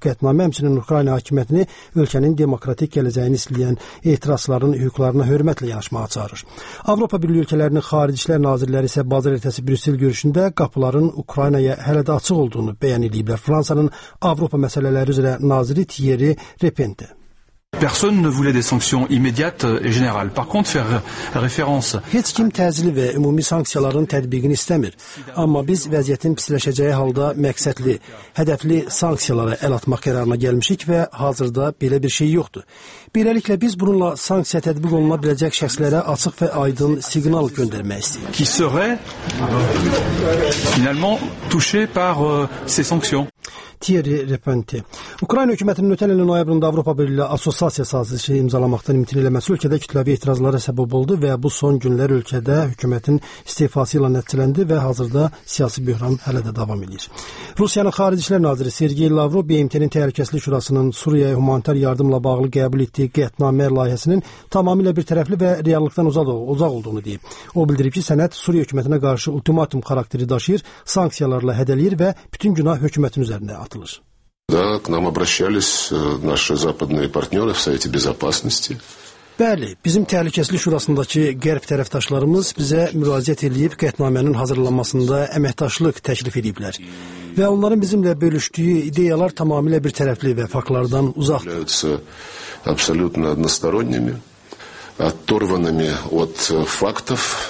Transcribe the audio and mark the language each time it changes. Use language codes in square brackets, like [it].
[az] Qətnamə həmçinin Ukrayna hakimiyyətini ölkənin demokratik gələcəyini istəyən etirazların hüquqlarına hörmətlə yanaşmağa çağırır. Avropa Birliyi ölkələrinin xarici işlər nazirləri isə bazar ertəsi Brüssel görüşündə qapıların Ukraynaya hələ də açıq olduğunu bəyan ediblər. Fransanın Avropa məsələləri üzrə naziri Thierry Repent. [fr] Personne ne voulait des sanctions immédiates et générales. Par contre, faire référence. [az] Heç kim təzili və ümumi sanksiyaların tətbiqini istəmir. Amma biz vəziyyətin pisləşəcəyi halda məqsədli, hədəfli sanksiyalara əl atmaq qərarına gəlmişik və hazırda belə bir şey yoxdur. Beləliklə biz bununla sanksiya tətbiq oluna biləcək şəxslərə açıq və aydın siqnal göndərmək istəyirik. [fr] Qui serait finalement touché par ces sanctions. [az] Thierry Repenti. Ukrayna hökumətinin ötən ilin noyabrında Avropa Birliği Assosiasiya sazişi imzalamaqdan imtina eləməsi ölkədə kütləvi etirazlara səbəb oldu və bu son günlər ölkədə hökumətin istifası ilə nəticələndi və hazırda siyasi böhran hələ də davam edir. Rusiyanın Xarici İşlər Naziri Sergey Lavrov BMT-nin Təhlükəsizlik Şurasının Suriyaya humanitar yardımla bağlı qəbul etdiyi qətnamə layihəsinin tamamilə bir tərəfli və reallıqdan uzaq olduğunu deyib. O bildirib ki, sənəd Suriya hökumətinə qarşı ultimatum xarakteri daşıyır, sanksiyalarla hədələyir və bütün günah hökumətin üzərinə atılır. [ru] Да, к нам обращались наши западные партнеры в Совете Безопасности. [az] Bəli, bizim Təhlükəsizlik Şurasındakı qərb tərəfdaşlarımız bizə müraciət edib qətnamənin hazırlanmasında əməkdaşlıq təklif ediblər. Və onların bizimlə bölüşdüyü ideyalar tamamilə bir tərəfli və faktlardan uzaqdır. [ru] Абсолютно односторонними, оторванными от фактов.